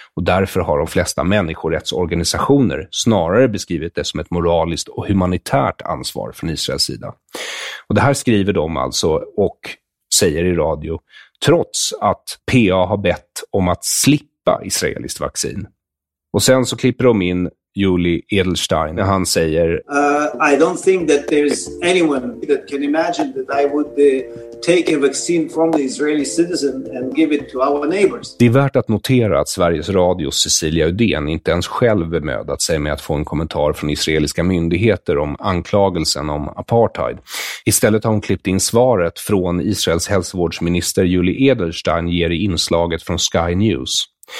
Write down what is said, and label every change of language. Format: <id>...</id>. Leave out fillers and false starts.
<sv>Och därför har de flesta människorättsorganisationer snarare beskrivit det som ett moraliskt och humanitärt ansvar från Israels sida. Och det här skriver de alltså och säger i radio, trots att PA har bett om att slippa israeliskt vaccin. Och sen så klipper de in Yuli Edelstein, han säger:</sv> <en>I don't think that there's anyone that can imagine that I would take a vaccine from the Israeli citizen and give it to our neighbors.</en> <sv>Det är värt att notera att Sveriges Radios Cecilia Uden inte ens själv bemödat sig med att få en kommentar från israeliska myndigheter om anklagelsen om apartheid. Istället har hon klippt in svaret från Israels hälsovårdsminister Yuli Edelstein ger i inslaget från Sky News.</sv>